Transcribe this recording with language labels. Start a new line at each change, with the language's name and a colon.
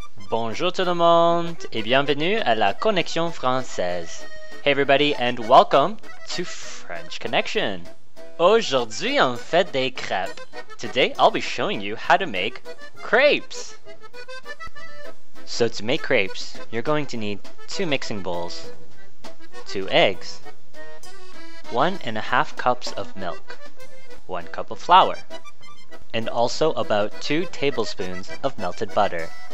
French: Bonjour tout le monde et bienvenue à la Connexion Française.
English: Hey everybody and welcome to French Connection.
French: Aujourd'hui on fait des crêpes.
English: Today I'll be showing you how to make crepes. So to make crepes, you're going to need two mixing bowls, two eggs, 1.5 cups of milk, 1 cup of flour, and also about 2 tablespoons of melted butter.